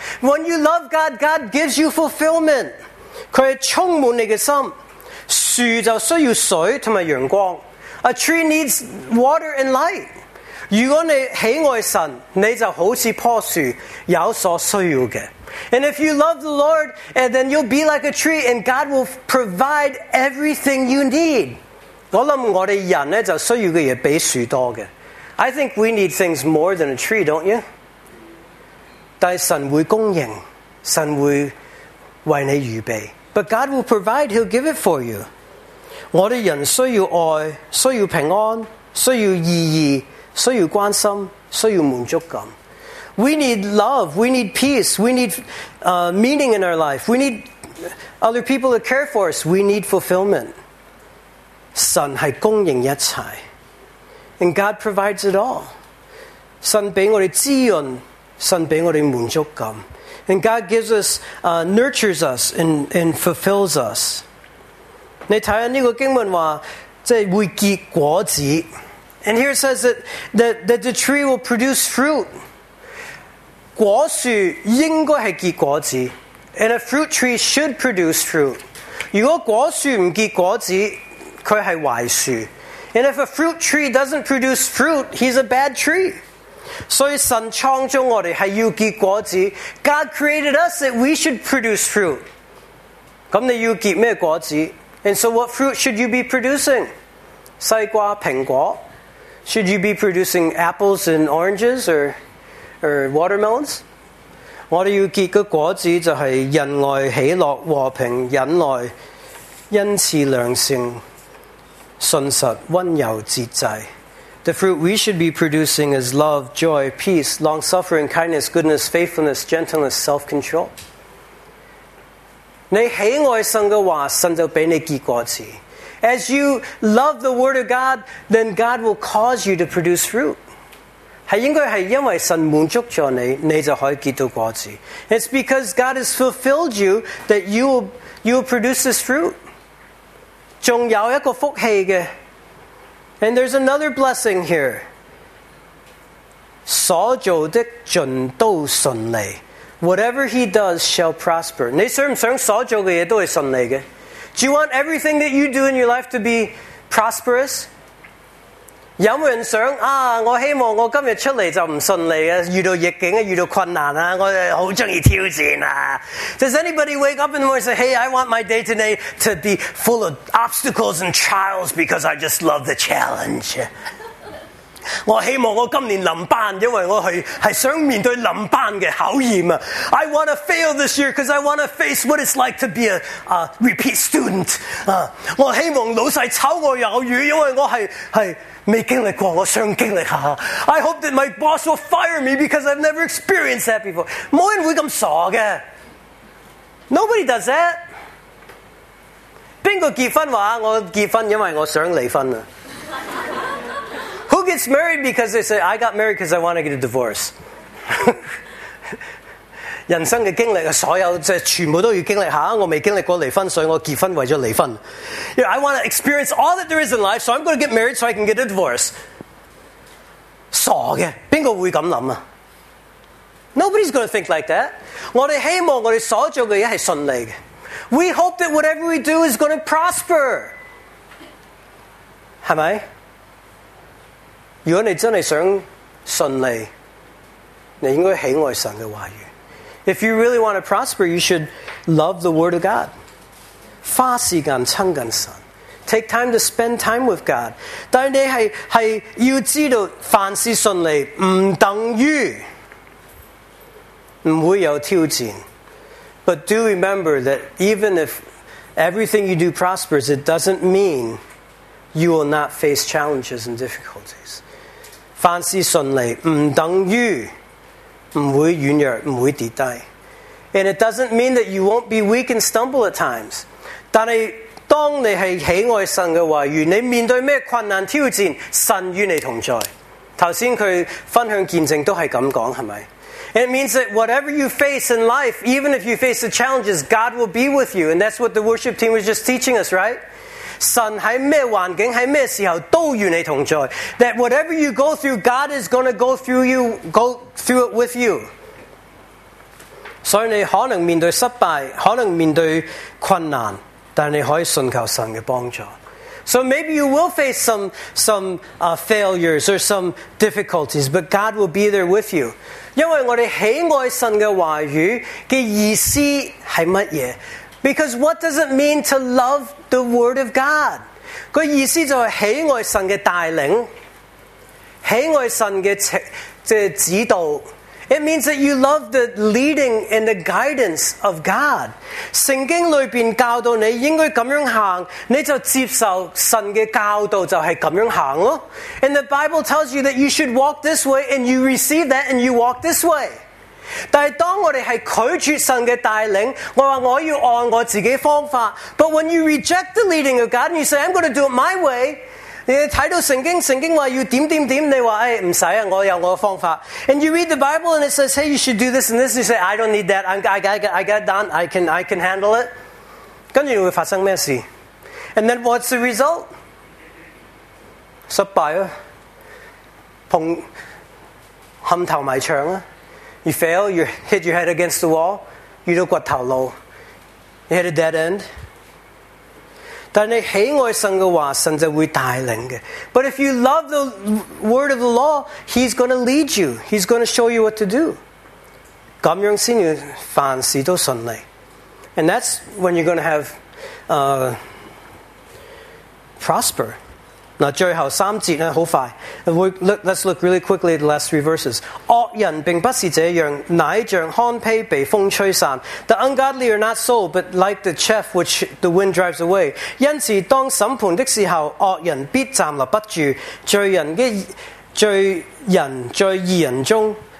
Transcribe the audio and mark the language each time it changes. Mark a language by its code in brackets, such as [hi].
[en] When you love God, God gives you fulfillment. [zh] 佢系充满你嘅心。树就需要水同埋阳光。 [en] A tree needs water and light. [zh] 如果你喜爱神，你就好似棵树有所需要的。 [en] And if you love the Lord, and then you'll be like a tree, and God will provide everything you need. [zh] 我想我们人呢就需要的也比树多的。 [en] I think we need things more than a tree, don't you? [zh] 但神会供应，神会为你预备。 [en] But God will provide, He'll give it for you. [zh] 我哋人需要爱，需要平安，需要意义，需要关心，需要满足感。 [en] We need love, we need peace, we need meaning in our life. We need other people to care for us. We need fulfillment. [zh] 神系供应一切。 [en] And God provides it all. [zh] 神俾我哋滋润，神俾我哋满足感。 [en] And God gives us, nurtures us and fulfills us. [zh] 你睇下呢个经文话，即系会结果子。 [en] And here it says that the tree will produce fruit. [zh] 果树应该系结果子。 [en] And a fruit tree should produce fruit. [zh] 如果果树唔结果子，佢系坏树。 [en] And if a fruit tree doesn't produce fruit, he's a bad tree. [zh] 所以神创造我哋系要结果子。 [en] God created us that we should produce fruit. [zh] 咁你要结咩果子？ [en] And so what fruit should you be producing? [zh] 西瓜、苹果。 [en] Should you be producing apples and oranges or watermelons? [zh] 我哋要结个果子就系仁爱、喜乐、和平、忍耐、恩慈、良善。信实、温柔、节制。 [en] The fruit we should be producing is love, joy, peace, long-suffering, kindness, goodness, faithfulness, gentleness, self-control. [zh] 你喜爱神嘅话，神就俾你结果子。 [en] As you love the word of God, then God will cause you to produce fruit. [zh] 系应该系因为神满足咗你，你就可以结到果子。 [en] It's because God has fulfilled you that you will produce this fruit. [zh] 仲有一个福气嘅。 [en] And there's another blessing here. [zh] 所做的尽都顺利。 [en] Whatever he does shall prosper. [zh] 你想唔想所做嘅嘢都系顺利嘅？ [en] Do you want everything that you do in your life to be prosperous? [zh] 有冇人想啊？我希望我今日出嚟就唔顺利啊，遇到逆境啊，遇到困难啊，我好中意挑战啊。 [en] Does anybody wake up in the morning and say, "Hey, I want my day today to be full of obstacles and trials because I just love the challenge"? [zh] 我希望我今年临班，因为我系想面对临班嘅考验啊。 [en] I want to fail this year because I want to face what it's like to be a repeat student. [zh] 我希望老细炒我鱿鱼，因为我系。未经历过，我想经历下。 [en] I hope that my boss will fire me because I've never experienced that before. [zh] 冇人会咁傻嘅。 [en] Nobody does that. [zh] 边个结婚话我结婚因为我想离婚啊 [en] ？Who gets married because they say I got married because I want to get a divorce? [zh] 人生嘅经历所有即系全部都要经历下，我未经历过离婚，所以我结婚为咗离婚。 [en] Yeah, I want to experience all that there is in life, so I'm going to get married so I can get a divorce. [zh] 傻嘅，边个会咁谂啊 [en] ？Nobody's going to think like that. [zh] 我哋希望我哋所做嘅嘢系顺利嘅。 [en] We hope that whatever we do is going to prosper. [zh] 系咪？如果你真系想顺利，你应该喜爱神嘅话语。 [en] If you really want to prosper, you should love the Word of God. [zh] 花时间亲近神。 [en] Take time to spend time with God. [zh] 但你是要知道凡事顺利不等于不会有挑战。 [en] But do remember that even if everything you do prospers, it doesn't mean you will not face challenges and difficulties. [zh] 凡事顺利不等于不会软弱，不会跌低。 [en] And it doesn't mean that you won't be weak and stumble at times. [zh] 但是当你是喜爱神的话语，你面对什么困难挑战，神与你同在。刚才他分享见证都是这样说，是吧？ [en] It means that whatever you face in life, even if you face the challenges, God will be with you. And that's what the worship team was just teaching us, right? [zh] 神在什么环境在什么时候都与你同在 [en] That whatever you go through God is going to go through it with you [zh] 所以你可能面对失败可能面对困难但你可以信靠神的帮助 [en] So maybe you will face some failures or some difficulties but God will be there with you [zh] 因为我们喜爱神的话语的意思是什么 [en] Because what does it mean to love the Word of God? [zh] 个意思就是喜爱神的带领，喜爱神的指导。 [en] It means that you love the leading and the guidance of God. [zh] 圣经里面教导你应该咁样行，你就接受神的教导就是咁样行咯。 [en] And the Bible tells you that you should walk this way, and you receive that, and you walk this way. [zh] 但是当我们是拒绝神的带领我说我要按我自己的方法 [en] But when you reject the leading of God And you say I'm going to do it my way [zh] 你睇到圣经，圣经话要点点点，你话诶唔使啊，我有我嘅方法。 [en] And you read the Bible and it says, hey, you should do this and this. You say, I don't need that. I got done. I can handle it. [zh] 跟住会发生咩事 ？ [en] And then what's the result? [zh] 失败啊，碰冚头埋墙啊。 [en] You fail. You hit your head against the wall. You [zh] 都骨头路。 [en] You hit a dead end. [zh] 但你喜爱神嘅话，神就会带领嘅。 [en] But if you love the word of the law, He's going to lead you. He's going to show you what to do. [zh] 咁样先要凡事都顺利。 [en] And that's when you're going to have prosper. [zh] 那最后三节呢，好快。 [en] Let's look really quickly at the last three verses. [zh] 恶人并不是这样，乃像糠秕被风吹散。 [en] The ungodly are not so, but like the chaff which the wind drives away. [zh] 因此当审判的时候，恶人必站立不住，罪人在义人中。